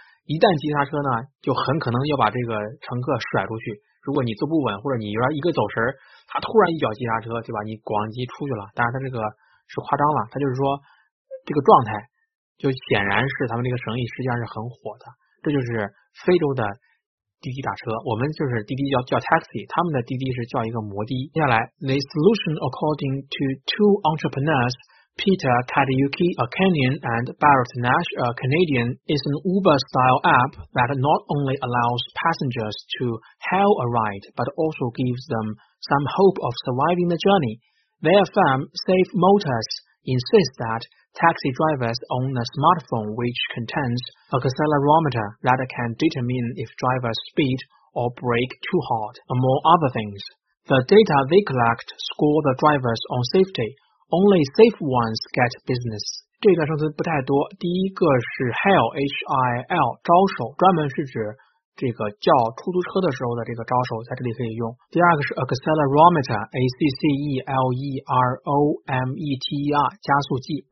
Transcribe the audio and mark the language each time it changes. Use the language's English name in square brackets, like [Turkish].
[Chinese] 一旦急刹车呢就很可能要把这个乘客甩出去，如果你坐不稳或者你有点一个走神，他突然一脚急刹车，对吧，你咣叽出去了。当然他这个是夸张了，他就是说这个状态就显然是他们这个生意实际上是很火的。这就是非洲的滴滴打车，我们就是滴滴叫 taxi， 他们的滴滴是叫一个摩的。 [English] 接下来 The solution according to two entrepreneurs Peter Kadayuki, a Kenyan, and Barrett Nash, a Canadian, is an Uber-style app that not only allows passengers to hail a ride but also gives them some hope of surviving the journey. Their firm Safe Motorsinsists that taxi drivers own a smartphone which contains an accelerometer that can determine if drivers speed or brake too hard, among other things. The data they collect score the drivers on safety. Only safe ones get business. [Chinese] 这段生词不太多，第一个是 hail, H-I-L, 招手，专门是指这个叫出租车的时候的这个招手，在这里可以用。第二个是 accelerometer， A-C-C-E-L-E-R-O-M-E-T-E-R， 加速器。